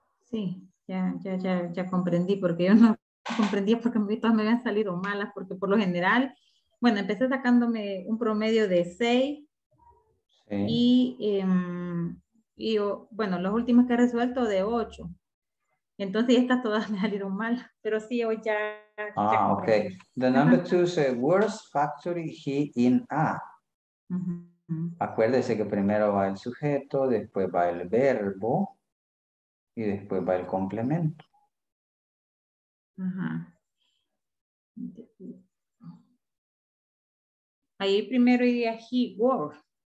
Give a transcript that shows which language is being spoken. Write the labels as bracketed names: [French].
[Spanish] Sí, ya comprendí, porque yo no comprendía porque todas me habían salido malas, porque por lo general, bueno, empecé sacándome un promedio de 6. Sí. Y los últimos que he resuelto de 8. Entonces estas todas me salieron mal, pero sí, hoy ya. Ah, ok. [English] The number two is worst factory he in a. Uh-huh. [Spanish] Acuérdese que primero va el sujeto, después va el verbo y después va el complemento. Uh-huh. Ahí primero iría [English] he works.